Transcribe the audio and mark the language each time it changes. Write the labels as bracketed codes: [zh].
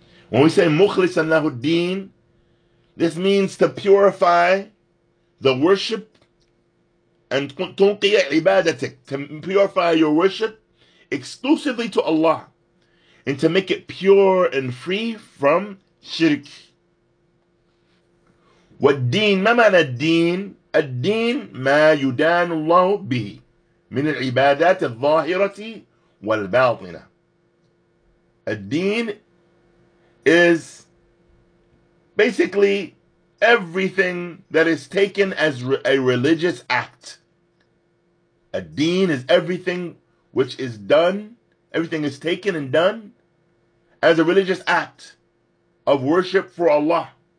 [en] When we say مخلصا له الدين, this means to purify the worship and [ar] تنقي عبادتك, [en] to purify your worship exclusively to Allah and to make it pure and free from shirk. [ar] والدين, ما معنى الدين؟ الدين ما يدان الله به من العبادات الظاهرة والباطنة. [en] الدين is basically everything that is taken as a religious act. الدين is everything which is done, everything is taken and done as a religious act of worship for Allah.